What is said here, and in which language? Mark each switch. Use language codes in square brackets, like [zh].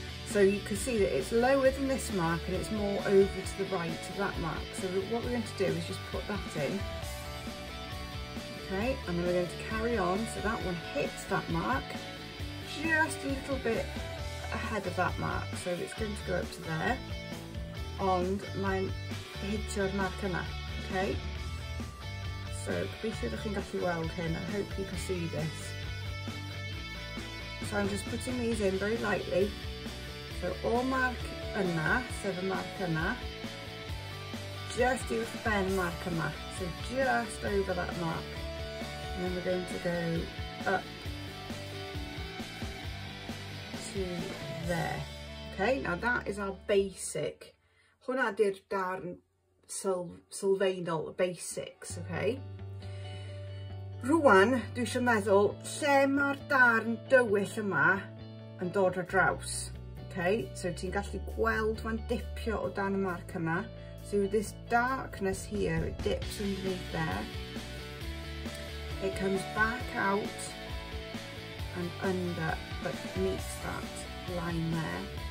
[en] So you can see that it's lower than this mark and it's more over to the right of that mark. So what we're going to do is just put that in. Okay, and then we're going to carry on so that one hits that mark just a little bit ahead of that mark. So it's going to go up to there. [cy] Ond mae'n hitio'r mark yna. Okay. So gobeithio ydych chi'n gallu weld hyn. [en] I hope you can see this. So I'm just putting these in very lightly. So [cy] o'r mark yna, sef y mark yna, just i'r ben mark yma, [en] so just over that mark. And then we're going to go up to there. Okay, now that is our basic. [cy] Hwna di'r darn sylfaenol, basics, okay? Rwan, dwi eisiau meddwl lle mae'r darn dywyll yma yn dod ar draws. Okay, so ti'n gallu gweld mae'n dipio o dan y marc yma. [en] So this darkness here, it dips underneath there. It comes back out and under, but meets that line there.